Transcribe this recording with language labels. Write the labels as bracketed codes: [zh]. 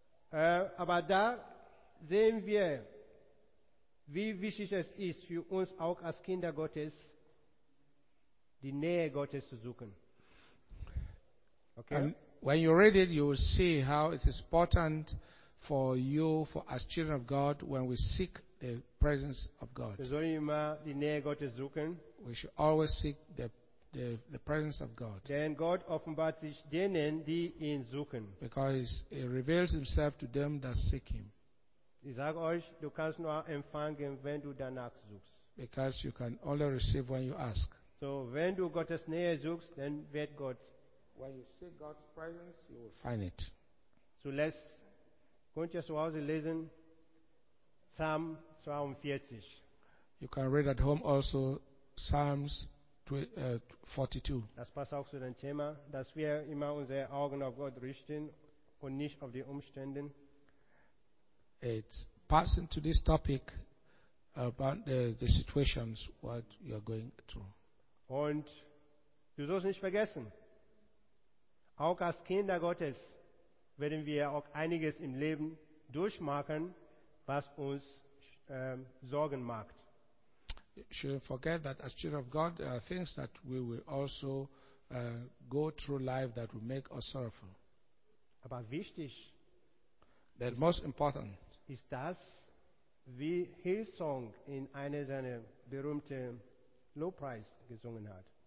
[de] Aber da sehen wir, wie wichtig es ist für uns auch als Kinder Gottes, die Nähe Gottes zu suchen. [en] Okay. And when you read it, you will see how it is important for you, for as children of God, when we seek the presence of God. [de] Wir sollen immer die Nähe Gottes suchen. [en] We should always seek the presence of God. [de] Denn Gott offenbart sich denen, die ihn suchen. [en] Because he reveals himself to them that seek him. [de] Ich sage euch, du kannst nur empfangen, wenn du danach suchst. [en] Because you can only receive when you ask. [de] So, wenn du Gottes Nähe suchst, dann wird Gott. [en] When you seek God's presence, you will find it. [de] So, könnt ihr zu Hause lesen? Psalm 42. [en] You can read at home also Psalms 42. [de] Das passt auch zu dem Thema, dass wir immer unsere Augen auf Gott richten und nicht auf die Umstände. [en] It's passing to this topic about the situations what you are going through. [de] Und du sollst nicht vergessen, auch als Kinder Gottes werden wir auch einiges im Leben durchmachen, was uns Sorgen macht. [en] You shouldn't forget that as children of God, there are things that we will also go through life that will make us sorrowful. [de] Aber wichtig, [en] the most important, [de] ist das, wie Hillsong in einer seiner berühmten Lobpreis gesungen hat.